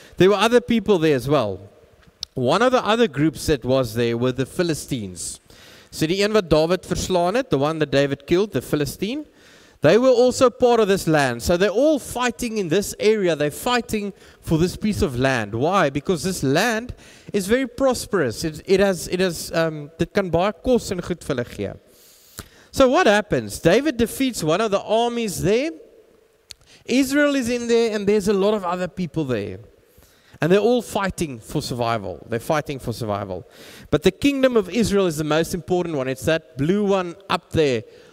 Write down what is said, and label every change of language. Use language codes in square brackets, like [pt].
[en] There were other people there as well. One of the other groups that was there were the Philistines. So [af] die een wat David verslaan het, [en] the one that David killed, the Philistine, they were also part of this land. So they're all fighting in this area. They're fighting for this piece of land. Why? Because this land is very prosperous. [af] It kan baie kos en goed vir hulle gee. [en] So what happens? David defeats one of the armies there. Israel is in there, and there's a lot of other people there. And they're all fighting for survival. They're fighting for survival. But the kingdom of Israel is the most important one. It's that blue one up there.